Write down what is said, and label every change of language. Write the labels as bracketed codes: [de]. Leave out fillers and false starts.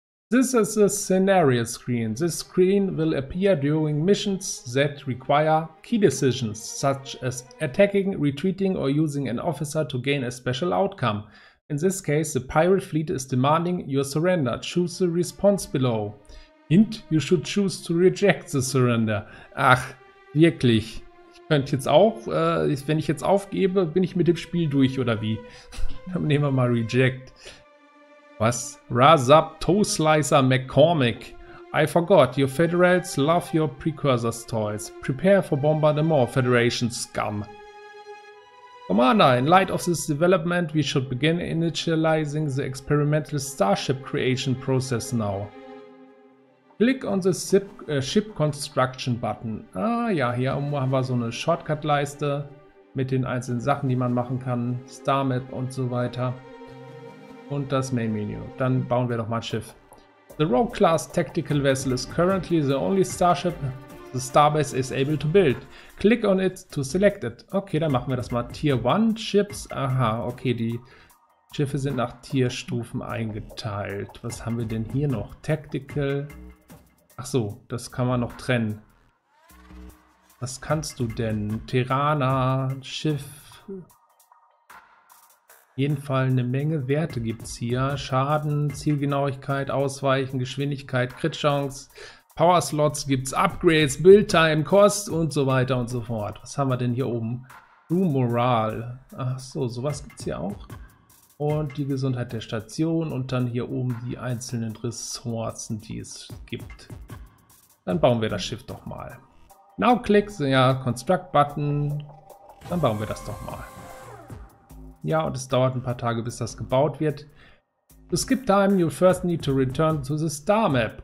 [en] This is a scenario screen. This screen will appear during missions that require key decisions, such as attacking, retreating, or using an officer to gain a special outcome. In this case, the pirate fleet is demanding your surrender. Choose the response below. Hint, you should choose to reject the surrender. [de] Ach, wirklich. Ich könnte jetzt auch, wenn ich jetzt aufgebe, bin ich mit dem Spiel durch, oder wie? Dann nehmen wir mal reject. Was? Razab Toe Slicer McCormick. [en] I forgot, your Federals love your precursors toys. Prepare for bombardment, Federation scum. Commander, in light of this development, we should begin initializing the experimental starship creation process now. Click on the ship construction button. [de] Ah ja, hier oben haben wir so eine Shortcut-Leiste mit den einzelnen Sachen, die man machen kann. Star Map und so weiter. Und das Main Menu. Dann bauen wir doch mal ein Schiff. [en] The Rogue Class Tactical Vessel is currently the only Starship the Starbase is able to build. Click on it to select it. [de] Okay, dann machen wir das mal. [en] Tier 1 Ships. [de] Aha, okay, die Schiffe sind nach Tierstufen eingeteilt. Was haben wir denn hier noch? Tactical. Ach so, das kann man noch trennen. Was kannst du denn? Terrana, Schiff. Jedenfalls eine Menge Werte gibt es hier. Schaden, Zielgenauigkeit, Ausweichen, Geschwindigkeit, Crit-Chance, Power-Slots gibt es, Upgrades, Build-Time, Kost und so weiter und so fort. Was haben wir denn hier oben? Crew-Morale. Ach so, sowas gibt es hier auch. Und die Gesundheit der Station und dann hier oben die einzelnen Ressourcen, die es gibt. Dann bauen wir das Schiff doch mal. [en] Now click the Construct-Button. [de] Dann bauen wir das doch mal. Ja, und es dauert ein paar Tage, bis das gebaut wird. [en] To skip time, you first need to return to the Star Map.